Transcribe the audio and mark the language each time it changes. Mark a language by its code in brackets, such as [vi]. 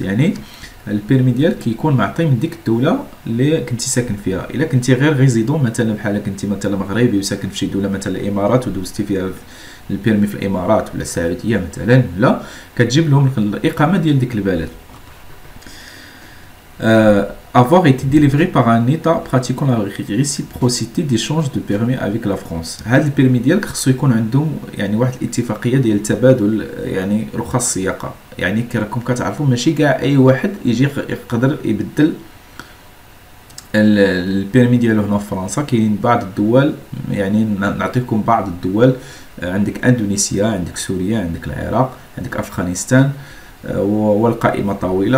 [ar] يعني البيرمي ديالك يكون معطي من ديك الدوله اللي كنتي ساكن فيها. الا كنتي غير ريزيدون مثلا بحال كنتي مثلا مغربي وساكن في شي دوله مثلا الامارات ودوزتي فيها البيرمي في الامارات ولا السعوديه مثلا، لا كتجيب لهم الاقامه ديال ديك البلد. [fr] avoir été délivré par un état pratiquant la réciprocité d'échange de permis avec la France. [ar] هذا البيرمي ديالك خصو يكون عندهم يعني واحد الاتفاقيه ديال التبادل يعني رخص السياقه. يعني كي راكم كتعرفوا ماشي كاع اي واحد يجي يقدر يبدل البيرمي ديالو هنا في فرنسا. كاين بعض الدول، يعني نعطيكم بعض الدول، عندك اندونيسيا، عندك سوريا، عندك العراق، عندك افغانستان والقائمة طويلة.